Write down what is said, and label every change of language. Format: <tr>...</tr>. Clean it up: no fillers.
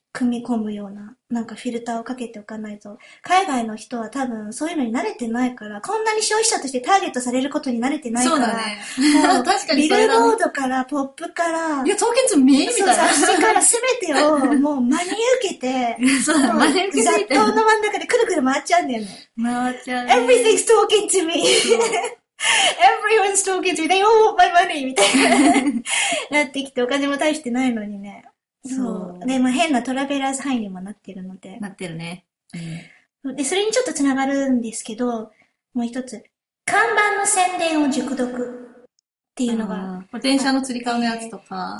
<ja>組み込むような、なんかフィルターをかけておかないと。海外の人は多分そういうのに慣れてないから、こんなに消費者としてターゲットされることに慣れてないから。そうだね。確かにそうだね。ビルボードから、ポップから。いや、凍結見えみたいな。雑誌から全てをもう真に受けて、そう、真に受けて。雑踏の真ん中でくるくる回っちゃうんだよね。回っちゃう、ね。</ja> <en>Everything's talking to me. Everyone's talking to me. They all want my money.</en> <ja>みたいな。なってきて、お金も大してないのにね。そう。で、まあ、変なトラベラーズ範囲にもなってるので。なってるね。うん、で、それにちょっとつながるんですけど、もう一つ。看板の宣伝を熟読っていうのが。電車の釣り革のやつとか。</ja>